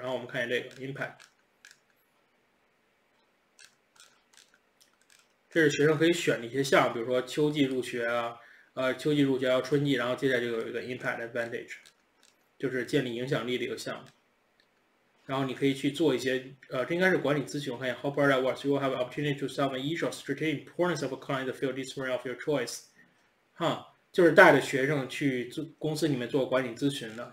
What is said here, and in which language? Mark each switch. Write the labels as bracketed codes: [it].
[zh] 然后我们看一下这个 Impact， 这是学生可以选的一些项目，比如说秋季入学啊，秋季入学要春季，然后接下来就有一个 Impact Advantage， 就是建立影响力的一个项目。然后你可以去做一些，这应该是管理咨询。我看一下 [en] ，How far that works? You will have an opportunity to solve an issue, strategic importance of a client in the field discipline of your choice. [zh] 哈，就是带着学生去公司里面做管理咨询的。